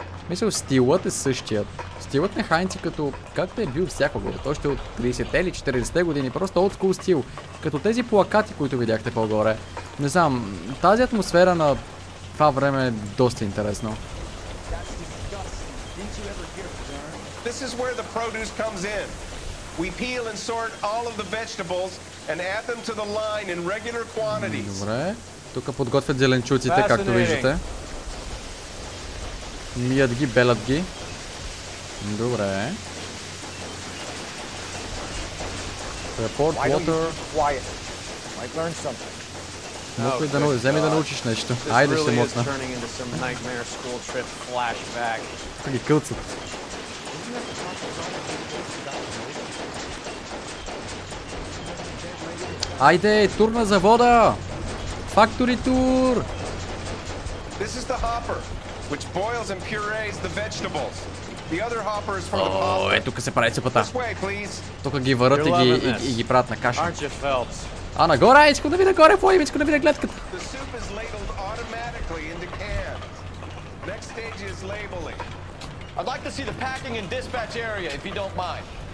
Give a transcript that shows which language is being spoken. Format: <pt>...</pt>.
<bg>Мисля, стилът е същият. Стилът на Хайнци като както е бил всякога, още от 30-те или 40-те години, просто old school стил. Като тези плакати, които видяхте по-горе. Не знам, тази атмосфера на това време е доста интересно.</bg> <en>This is where the produce comes in. We peel and sort all of the vegetables and add them to the line in regular quantities.</en> <bg>Добре, тук подготвят зеленчуците, както виждате. Мият ги, белят ги. Добре.</bg> <en>Report water.</en> <bg>Мокли да научиш, вземи да научиш нещо. Айде ще мотна. Тук ги кълцат. Айде, тур на завода!</bg> <en>Factory tour! This is the hopper. Which boils and purees the vegetables. The other hopper is for the pasta.</en> <bg>Oh, тук се прави супата. Тук ги върват и ги правят на каша.</bg> <en>Aren't you Phelps?</en> <bg>А нагоре, искам да видя горе, фой, искам да видя гледката.</bg> <en>The soup is labeled automatically into cans. Next stage is labeling. I'd like to see the packing and dispatch area, if you don't mind.</en>